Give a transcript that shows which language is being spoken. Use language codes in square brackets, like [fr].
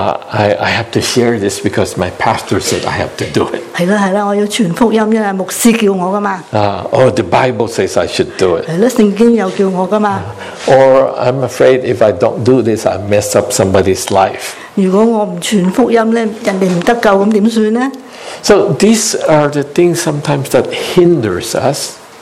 [en] I have to share this because my pastor said I have to do it. [yue] 系啦系啦，我要传福音，因为牧师叫我噶嘛。 [en] Or the Bible says I should do it. [yue] 系啦，圣经又叫我噶嘛。 [en] Or I'm afraid if I don't do this, I mess up somebody's life. [yue] 如果我唔传福音咧，人哋唔得救，咁点算咧？ [en] So these are the things sometimes that hinders us.